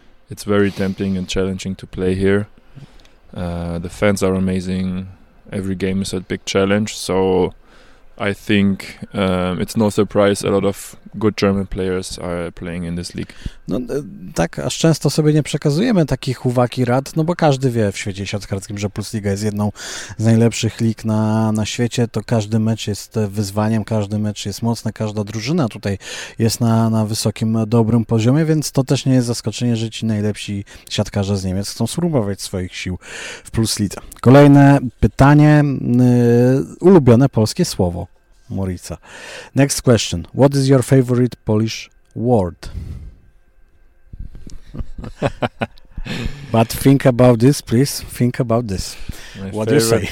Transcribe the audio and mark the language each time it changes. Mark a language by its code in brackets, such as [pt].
[en] It's very tempting and challenging to play here. The fans are amazing. Every game is a big challenge. So I think it's no surprise a lot of good German players are playing in this league. [pl] No tak, aż często sobie nie przekazujemy takich uwag i rad, no bo każdy wie w świecie siatkarskim, że Plus Liga jest jedną z najlepszych lig na świecie, to każdy mecz jest wyzwaniem, każdy mecz jest mocny, każda drużyna tutaj jest na wysokim, dobrym poziomie, więc to też nie jest zaskoczenie, że ci najlepsi siatkarze z Niemiec chcą spróbować swoich sił w Plus Lidze. Kolejne pytanie, ulubione polskie słowo Moritza. [en] Next question. What is your favorite Polish word? But think about this, please. Think about this. My what favorite do you say?